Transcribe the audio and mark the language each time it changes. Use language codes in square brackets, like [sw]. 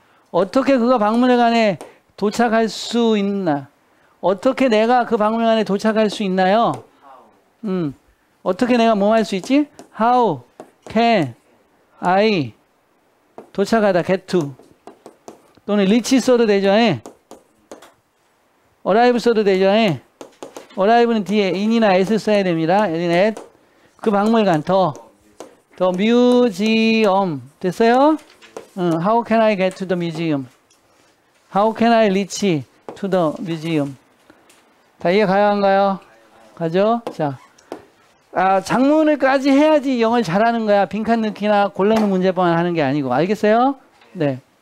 [ko] 어떻게 그가 박물관에 도착할 수 있나? 어떻게 내가 그 박물관에 도착할 수 있나요? [en] How? [ko] 어떻게 내가 뭐 할 수 있지? [en] How can I 도착하다 get to 또는 reach [ko] 써도 되죠. arrive 써도 되죠. arrive는 뒤에 in이나 s 써야 됩니다. [en] in at [ko] 그 박물관 [en] the museum [ko] 됐어요? [en] How can I get to the museum? How can I reach to the museum? [ko] 다 이해 가요 안 가요? 가죠? 자, 작문을까지 해야지 영어를 잘하는 거야. 빈칸 넣기나 골라놓는 문제만 하는 게 아니고. 알겠어요? 네.